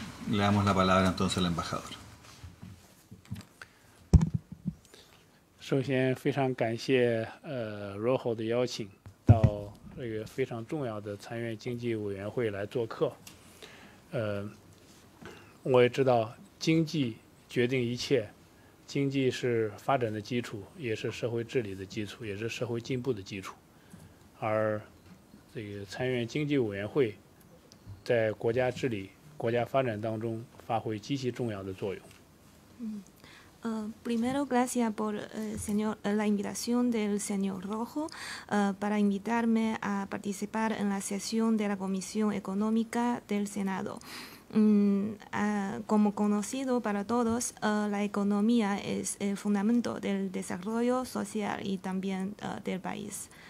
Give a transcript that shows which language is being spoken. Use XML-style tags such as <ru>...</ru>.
<es>Le damos la palabra entonces al embajador.</es> <zh>首先非常感谢罗侯的邀请到这个非常重要的参院经济委员会来做客，我也知道经济决定一切，经济是发展的基础，也是社会治理的基础，也是社会进步的基础，而这个参院经济委员会在国家治理、国家发展当中发挥极其重要的作用。</zh> <es>Primero, gracias por la invitación del señor Rojo para invitarme a participar en la sesión de la Comisión Económica del Senado. Como conocido para todos, la economía es el fundamento del desarrollo social y también del país.</es>